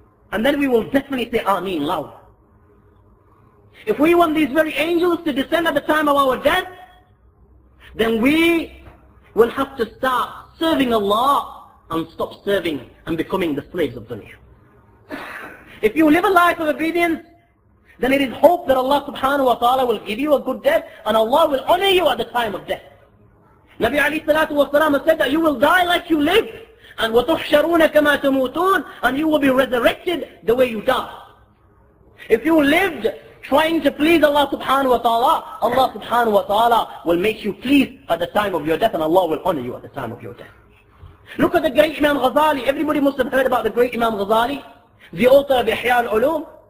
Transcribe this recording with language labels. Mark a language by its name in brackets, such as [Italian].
[English] And then we will definitely say Ameen loud. If we want these very angels to descend at the time of our death, then we will have to start serving Allah and stop serving and becoming the slaves of dunya. If you live a life of obedience, then it is hope that Allah subhanahu wa ta'ala will give you a good death and Allah will honor you at the time of death. Nabi alayhi salatu wa salam said that you will die like you live. And [Arabic] وَتُحْشَرُونَ كَمَا تَمُوتُونَ. [English] And you will be resurrected the way you die. If you lived trying to please Allah subhanahu wa ta'ala, Allah subhanahu wa ta'ala will make you please at the time of your death and Allah will honor you at the time of your death. Look at the great Imam Ghazali. Everybody must have heard about the great Imam Ghazali, the author of Ihya al-Ulum.